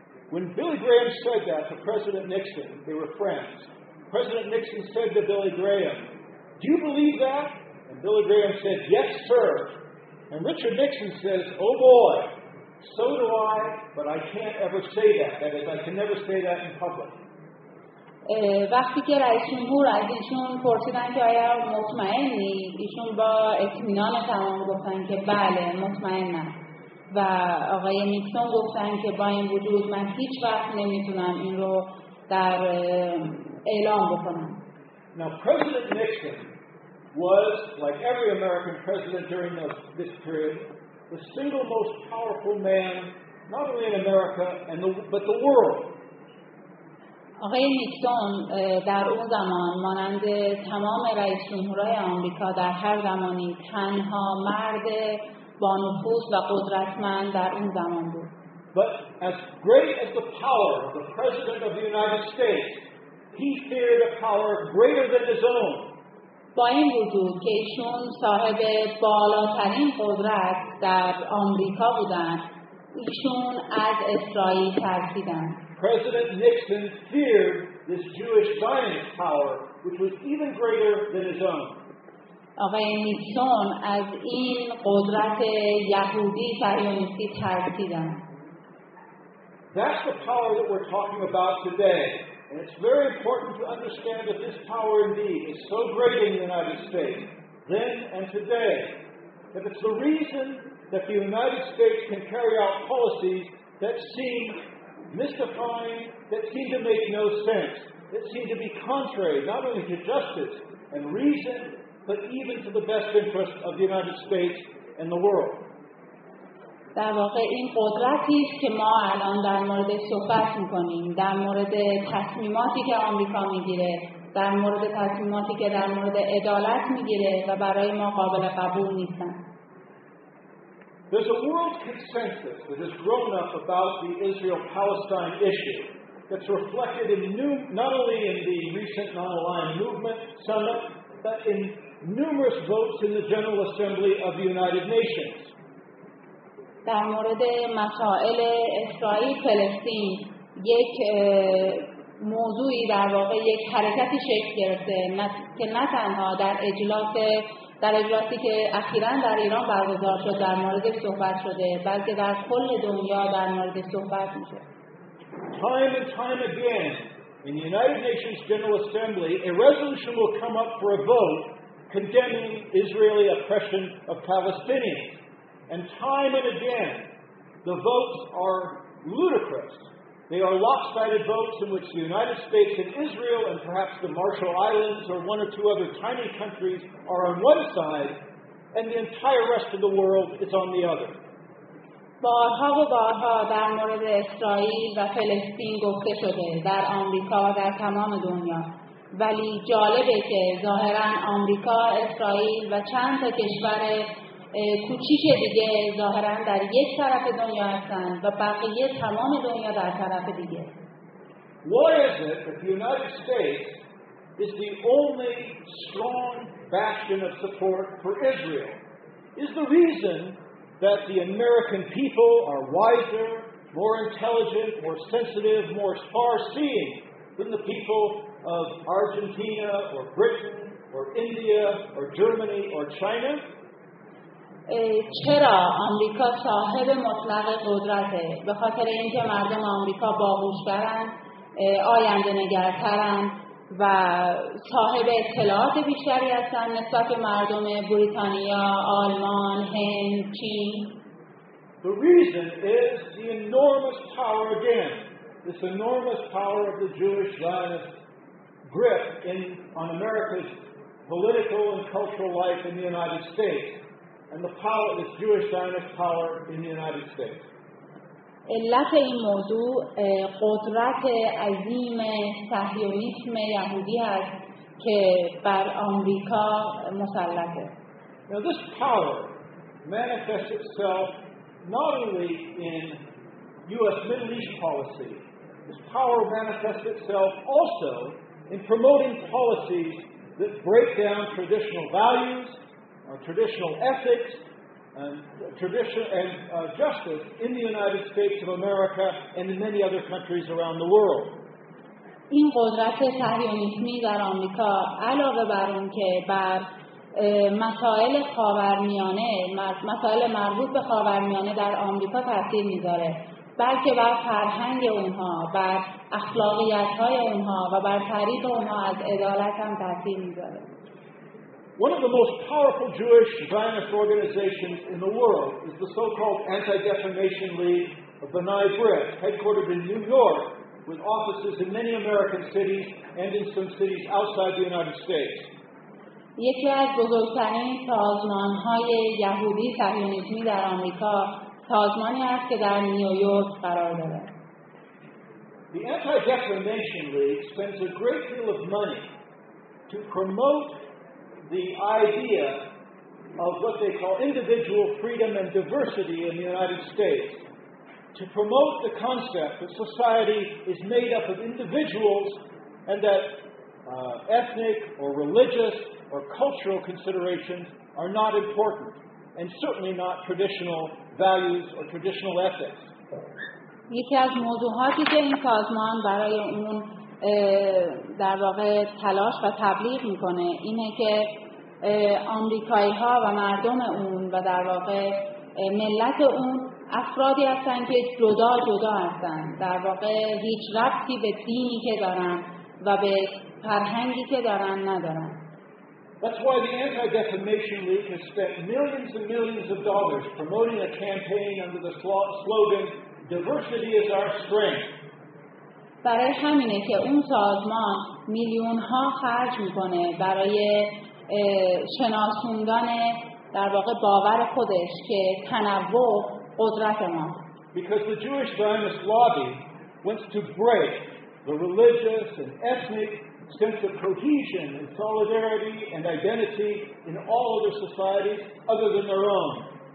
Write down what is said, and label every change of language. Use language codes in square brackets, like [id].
[en] When Billy Graham said that to President Nixon, they were friends. President Nixon said to Billy Graham, "Do you believe that?" And Billy Graham said, "Yes, sir." And Richard Nixon says, "Oh boy, so do I, but I can't ever say that. That is, I can never say that in public." [fa] وقتی که رئیس جمهور از ایشون پرسیدن که آیا مطمئنی، ایشون با اطمینان تمام گفتن که بله مطمئنم، و آقای نیکسون گفتن که با این وجود من هیچ وقت نمیتونم این رو در اعلام بکنم. [en] Now President Nixon was, like every American president during this period, the single most powerful man, not only in America, but the world. [fa] آقای نیکسون در اون زمان مانند تمام رئیس جمهورهای آمریکا در هر زمانی تنها مرد با نفوذ و قدرتمند در اون زمان بود. [en] But as great as the power of the President of the United States, he feared a power greater than his own. [fa] با این وجود که ایشون صاحب بالاترین قدرت در آمریکا بودند، ایشون از اسرائیل ترسیدن. [en] President Nixon feared this Jewish Zionist power, which was even greater than his own. [fa] آقای نیکسون از این قدرت یهودی صهیونیستی ترسیدن. [en] That's the power that we're talking about today. And it's very important to understand that this power indeed is so great in the United States, then and today, that it's the reason that the United States can carry out policies that seem mystifying, that seem to make no sense, that seem to be contrary not only to justice and reason, but even to the best interests of the United States and the world. [fa] در واقع این قدرتی است که ما الان در مورد صحبت می‌کنیم، در مورد تصمیماتی که آمریکا می‌گیره، در مورد تصمیماتی که در مورد عدالت می‌گیره و برای ما قابل قبول نیستن. [en] There's a world consensus that has grown up about the Israel-Palestine issue that's reflected in not only in the recent non-aligned movement summit, but in numerous votes in the General Assembly of the United Nations. [fa] در مورد مسائل اسرائیل فلسطین یک موضوعی در واقع یک حرکتی شکل گرفته که نه تنها در اجلاسی که اخیراً در ایران برگزار شد در مورد صحبت شده، بلکه در کل دنیا در مورد صحبت میشه. [en] Time and time again in the United Nations General Assembly a resolution will come up for a vote condemning Israeli oppression of Palestinians. And time and again, the votes are ludicrous. They are lopsided votes in which the United States and Israel and perhaps the Marshall Islands or one or two other tiny countries are on one side and the entire rest of the world is on the other. [fa] بارها و بارها در مورد اسرائیل و فلسطین گفته شده در آمریکا و در تمام دنیا. ولی جالبه که ظاهراً آمریکا، اسرائیل و چند تا کشور کوچیک دیگه ظاهرا در یک طرف دنیا هستند و بقیه تمام دنیا در طرف دیگه. [en] What is it that the United States is the only strong bastion of support for Israel? Is the reason that the American people are wiser, more intelligent, more sensitive, more far-seeing than the people of Argentina or Britain or India or Germany or China? [fa] چرا آمریکا صاحب مطلق قدرته؟ به خاطر اینکه مردم آمریکا باهوش‌ترن، آینده‌نگرترن و صاحب اطلاعات بیشتری هستن نسبت به مردم بریتانیا، آلمان، هند، چین. [en] The reason is the enormous power again. This enormous power of the Jewish Zionist grip on America's political and cultural life in the United States. And the power, this Jewish Zionist power in the United States. [fa] علت این موضوع قدرت عظیم صهیونیسم یهودی است که بر آمریکا مسلطه. [en] Now this power manifests itself not only in U.S. Middle East policy. This power manifests itself also in promoting policies that break down traditional values. Traditional ethics and tradition and justice in the United States of America and in many other countries around the world. [fa] این قدرت صهیونیسمی در آمریکا علاوه بر اون که بر مسائل خاورمیانه، مسائل مربوط به خاورمیانه در آمریکا تاثیر میذاره، بلکه بر فرهنگ اونها، بر اخلاقیات‌های اونها و بر تعریف اونها از عدالت هم تاثیر میذاره. [en] One of the most powerful Jewish Zionist organizations in the world is the so-called Anti-Defamation League of B'nai B'rith, headquartered in New York, with offices in many American cities and in some cities outside the United States. [fa] یکی از بزرگترین سازمان‌های یهودی صهیونیستی در آمریکا سازمانی است که در نیویورک قرار دارد. [en] The Anti-Defamation League spends a great deal of money to promote the idea of what they call individual freedom and diversity in the United States, to promote the concept that society is made up of individuals and that ethnic or religious or cultural considerations are not important, and certainly not traditional values or traditional ethics. [fa] یکی از موضوعاتی که این سازمان برای اون در واقع تلاش و تبلیغ میکنه اینه که امریکایی ها و مردم اون و در واقع ملت اون افرادی هستن که جدا جدا هستن، در واقع هیچ ربطی به دینی که دارن و به فرهنگی که دارن ندارن. [en] That's why the Anti-Defamation League has spent millions and millions of dollars promoting a campaign under the slogan "Diversity is our strength." [fa] برای همینه که اون سازمان میلیون‌ها خرج می‌کنه برای شناسوندن در واقع باور خودش که تنوع قدرت ما. [en] Because the Jewish Zionist lobby wants to break the religious and ethnic sense of cohesion and solidarity and identity in all other societies other than their own.